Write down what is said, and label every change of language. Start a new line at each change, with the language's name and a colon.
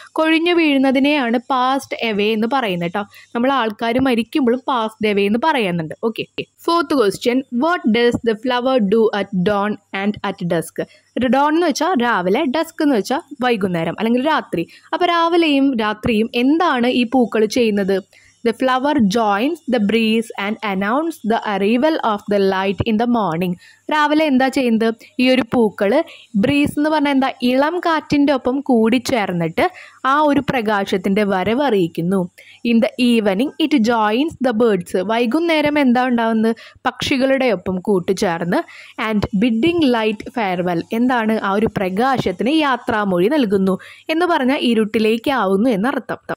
Malayalam: കൊഴിഞ്ഞു വീഴുന്നതിനെയാണ് passed away എന്ന് പറയുന്നത് കേട്ടോ. നമ്മൾ ആൾക്കാർ മരിക്കുമ്പോഴും പാസ്ഡ് അവേ എന്ന് പറയുന്നുണ്ട്.
English: Okay, fourth question, what does the flower do at dawn and at dusk.
Malayalam: Don എന്ന് വെച്ചാൽ രാവിലെ, ഡസ്ക് എന്ന് വെച്ചാൽ വൈകുന്നേരം അല്ലെങ്കിൽ രാത്രി. അപ്പോൾ രാവിലെയും രാത്രിയും എന്താണ് ഈ പൂക്കൾ ചെയ്യുന്നത്?
English: The flower joins the breeze and announces the arrival of the light in the morning.
Malayalam: രാവിലെ എന്താ ചെയ്യുന്നത്? ഈ ഒരു പൂക്കൾ ബ്രീസ് എന്ന് പറഞ്ഞാൽ എന്താ, ഇളം കാറ്റിൻ്റെ ഒപ്പം കൂടിച്ചേർന്നിട്ട് ആ ഒരു പ്രകാശത്തിൻ്റെ വരവ് അറിയിക്കുന്നു.
English: in the evening it joins the birds,
Malayalam: വൈകുന്നേരം എന്താ ഉണ്ടാവുന്നത്, പക്ഷികളുടെ ഒപ്പം കൂട്ടിച്ചേർന്ന്.
English: and bidding light farewell,
Malayalam: എന്താണ് ആ ഒരു പ്രകാശത്തിന് യാത്രാമൊഴി നൽകുന്നു എന്ന് പറഞ്ഞാൽ ഇരുട്ടിലേക്കാവുന്നു എന്നർത്ഥം.